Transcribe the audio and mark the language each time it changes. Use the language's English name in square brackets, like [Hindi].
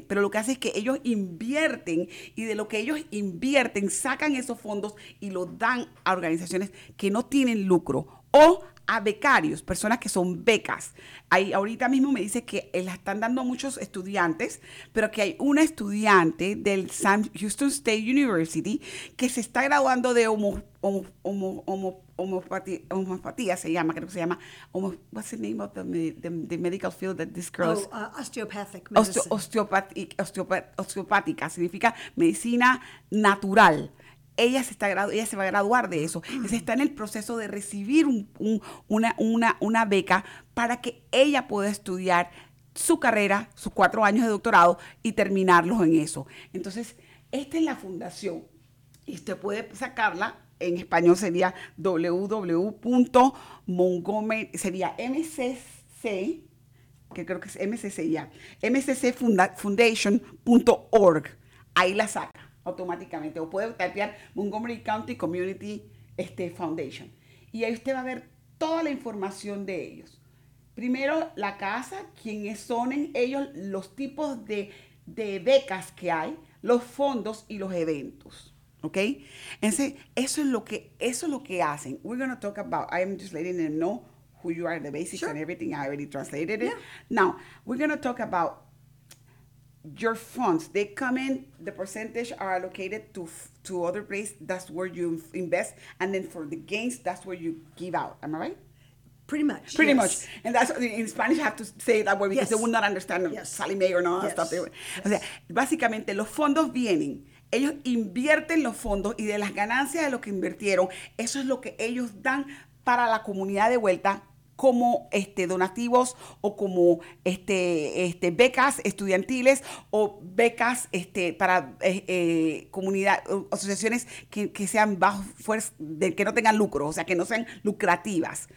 [Spanish] Pero lo que hace es que ellos invierten y de lo que ellos invierten sacan esos fondos y los dan a organizaciones que no tienen lucro o a becarios, personas que son becas. Ahí ahorita mismo me dice que la están dando a muchos estudiantes, pero que hay una estudiante del Sam Houston State University que se está graduando de homeopatía, se llama, creo que se llama. [English] What's the name of the medical field that this girl is? Osteopathic medicine. [Spanish] Osteopática significa medicina natural. Ella se va a graduar de eso. Ella está en el proceso de recibir una beca para que ella pueda estudiar su carrera, sus 4 años de doctorado y terminarlos en eso. Entonces, esta es la fundación. Y usted puede sacarla, en español sería www.montgomery, sería MCC, que creo que es MCC ya, mccfoundation.org. Ahí la saca automáticamente, o puede tapear Montgomery County Community Foundation. Y ahí usted va a ver toda la información de ellos. Primero, la casa, quiénes son ellos, los tipos de becas que hay, los fondos y los eventos. ¿Ok? Entonces, eso es lo que hacen. [English] We're going to talk about, I'm just letting them know who you are, the basics sure. And everything. I already translated it. Yeah. Now, we're going to talk about your funds. They come in, the percentage are allocated to other place, that's where you invest, and then for the gains, that's where you give out. Am I right? Pretty much. And that's, in Spanish, I have to say it that way, because yes. They will not understand yes. Sally Mae or not. Yes. Stuff. Yes. [Spanish] O sea, básicamente, los fondos vienen, ellos invierten los fondos, y de las ganancias de lo que invirtieron, eso es lo que ellos dan para la comunidad de vuelta, como donativos o como becas estudiantiles o becas para comunidad asociaciones que sean bajo fuerza de que no tengan lucro, o sea, que no sean lucrativas.